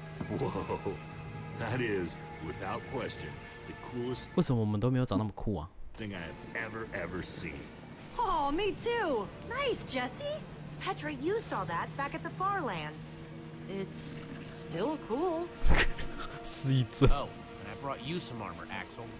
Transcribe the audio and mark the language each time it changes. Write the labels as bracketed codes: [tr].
[en] Whoa, that is without question the coolest. [zh] 为什么我们都没有长那么酷啊 ？ [en] Thing I've ever seen. Oh, me too. Nice, Jesse. Petra, you saw that back at the Farlands. It's still cool. [zh] 是一只。 [en] Oh, and I brought you some armor, Axel.